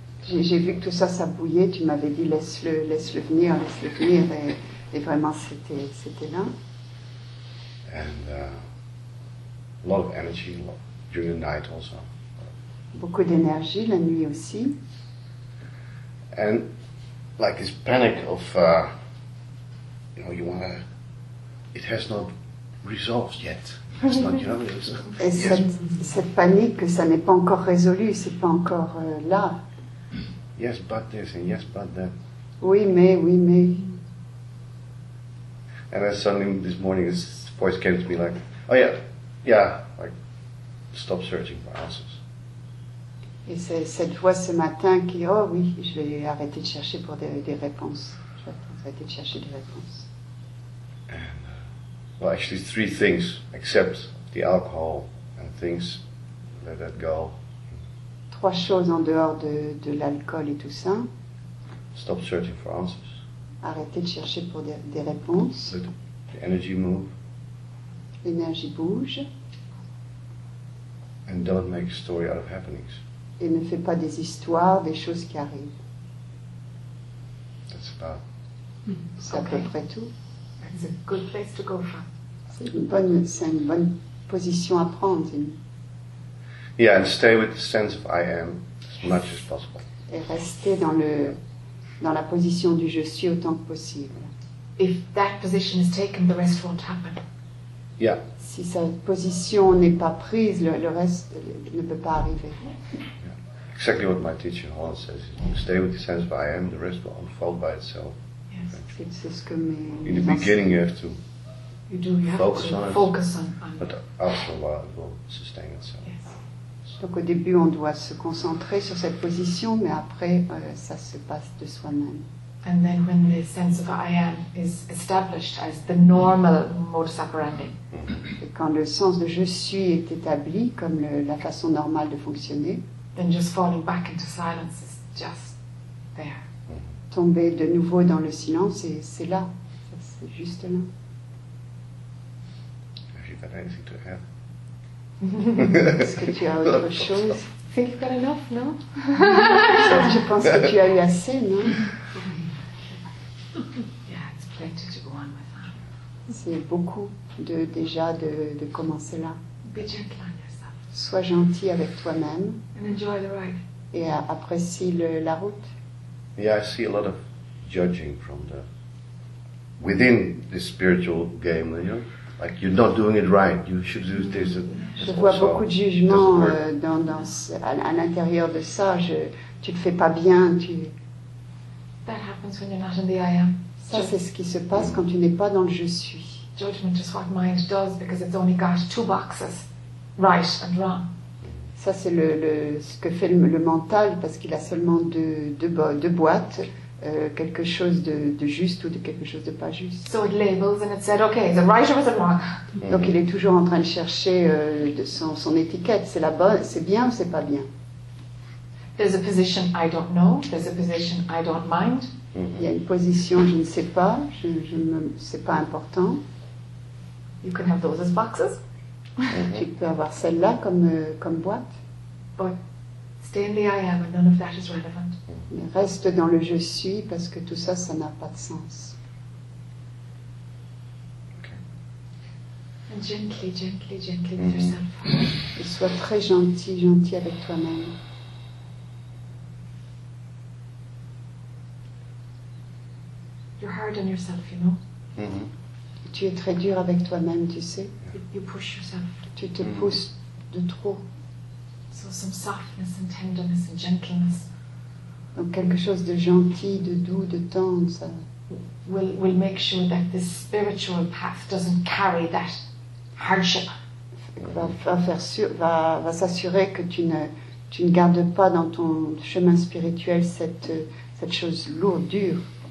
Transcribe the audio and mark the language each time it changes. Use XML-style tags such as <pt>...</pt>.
<fr>J'ai vu que tout ça, ça bouillait, tu m'avais dit, laisse-le venir, et vraiment, c'était là.</fr> <en>And a lot of energy, during the night also.</en> <fr>Beaucoup d'énergie, la nuit aussi.</fr> <en>And like this panic of, you know, you wanna, it has not resolved yet. It's not, you know, it's,</en> <fr>et cette,</fr> <en>yes.</en> <fr>Cette panique que ça n'est pas encore résolu, c'est pas encore là.</fr> <en>Yes, but this and yes, but that.</en> <fr>Oui, mais.</fr> <en>And then suddenly this morning this voice came to me like, oh yeah, like, stop searching for answers.</en> <fr>Et c'est cette voix ce matin qui, oh oui, je vais arrêter de chercher pour des réponses. Je vais arrêter de chercher des réponses.</fr> <en>And, well, actually, three things, except the alcohol and things, let that go.</en> <fr>Trois choses en dehors de l'alcool et tout ça.</fr> <en>Stop searching for answers.</en> <fr>Arrêter de chercher pour des réponses.</fr> <en>Let the energy move.</en> <fr>L'énergie bouge.</fr> <en>And don't make a story out of happenings.</en> <fr>Et ne fais pas des histoires, des choses qui arrivent.</fr> <en>That's about...</en> <fr>C'est okay. À peu près tout.</fr> <en>That's a good place to go from.</en> <fr>C'est une bonne position à prendre.</fr> <en>Yeah, and stay with the sense of I am as much as possible.</en> <fr>Et rester dans la position du je suis autant que possible.</fr> <en>If that position is taken, the rest won't happen. Yeah.</en> <fr>Si sa position n'est pas prise, le reste ne peut pas arriver.</fr> <en>Exactly what my teacher Holland says. You stay with the sense of I am, the rest will unfold by itself. Yes. It's</en> <fr>ce que mes</fr> <en>in the beginning you have to you do, you focus, have to on, focus it, on it, but after a while it will sustain itself. Yes.</en> <fr>Donc au début on doit se concentrer sur cette position, mais après ça se passe de soi-même.</fr> <en>And then when the sense of I am is established as the normal modus operandi.</en> <fr>Et quand le sens de je suis est établi comme la façon normale de fonctionner,</fr> <en>then just falling back into silence is just there.</en> <fr>Tomber de nouveau dans le silence, c'est là. C'est juste là.</fr> <en>Have you got anything to add?</en> <fr>Est-ce que tu as autre chose?</fr> <en>Think you've got enough,</en> <fr>non? Je pense que tu as eu assez, non?</fr> <en>Yeah, it's plenty to go on with that.</en> <fr>C'est beaucoup de commencer là.</fr> <en>Be gentle.</en> <fr>Sois gentil avec toi-même.</fr> <en>And enjoy the ride.</en> <fr>Et apprécie la route.</fr> <en>Yeah, I see a lot of judging from the within the spiritual game, you know, like you're not doing it right. You should do this.</en> <fr>Je vois beaucoup de jugement à l'intérieur de ça. Tu ne fais pas bien.</fr> <en>That happens when you're not in the I am.</en> <fr>Ça, c'est ce qui se passe quand tu n'es pas dans le je suis.</fr> <en>Judgment is what mind does because it's only got two boxes. Right and wrong.</en> <fr>Ça c'est ce que fait le mental parce qu'il a seulement deux boîtes, quelque chose de juste ou de quelque chose de pas juste.</fr> <en>So it labels and it said, okay, is it right or is it wrong?</en> <fr>Donc il est toujours en train de chercher son étiquette. C'est la bonne, c'est bien ou c'est pas bien?</fr> <en>There's a position I don't know. There's a position I don't mind.</en> <fr>Il y a une position je ne sais pas. C'est pas important.</fr> <en>You can have those as boxes.</en> <fr>Tu peux avoir celle-là comme boîte.</fr> <en>But stay in the I am and none of that is relevant.</en> <fr>Mais reste dans le je suis parce que tout ça, ça n'a pas de sens.</fr> <en>Okay. And gently with yourself.</en> <fr>Et sois très gentil avec toi-même.</fr> <en>You're hard on yourself, you know.</en> <fr>Tu es très dur avec toi-même, tu sais.</fr> <en>You push yourself.</en> <fr>Tu te pousses de trop.</fr> <en>So some softness and tenderness and gentleness.</en> <fr>Donc quelque chose de gentil, de doux, de tendre, ça,</fr> <en>will make sure that this spiritual path doesn't carry that hardship.</en> <fr>Va s'assurer que tu ne gardes pas dans ton chemin spirituel cette chose lourde, dure.</fr>